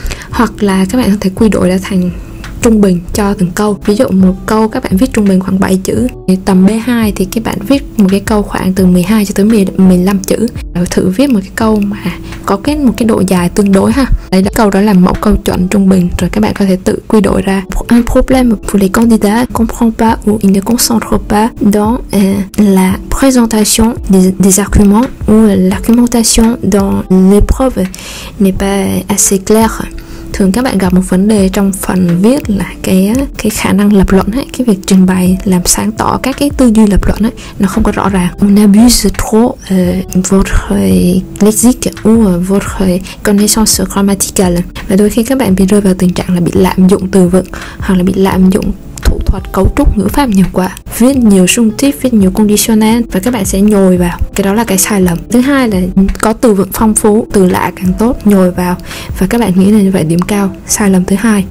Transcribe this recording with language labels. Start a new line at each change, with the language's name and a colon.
Vietnamese: Hoặc là các bạn có thể quy đổi ra thành trung bình cho từng câu. Ví dụ một câu các bạn viết trung bình khoảng 7 chữ thì tầm B2 thì các bạn viết một cái câu khoảng từ 12 cho tới 15 chữ. Thử viết một cái câu mà có cái một cái độ dài tương đối ha. Đấy, câu đó là mẫu câu chuẩn trung bình, rồi các bạn có thể tự quy đổi ra.
French: Un problème pour les candidats comprend pas ou ils ne concentrent pas dans la présentation des arguments ou l'argumentation dans l'épreuve n'est pas assez claire.
Vietnamese: Thường các bạn gặp một vấn đề trong phần viết là cái khả năng lập luận ấy, cái việc trình bày làm sáng tỏ các cái tư duy lập luận ấy, nó không có rõ ràng.
French: On abuse trop votre lexique ou votre connaissance grammaticale.
Vietnamese: Và đôi khi các bạn bị rơi vào tình trạng là bị lạm dụng từ vựng hoặc là bị lạm dụng thủ thuật cấu trúc ngữ pháp nhiều quá. Viết nhiều subjunctive, viết nhiều conditional và các bạn sẽ nhồi vào. Cái đó là cái sai lầm. Thứ hai là có từ vựng phong phú, từ lạ càng tốt, nhồi vào và các bạn nghĩ là như vậy điểm cao. Sai lầm thứ hai.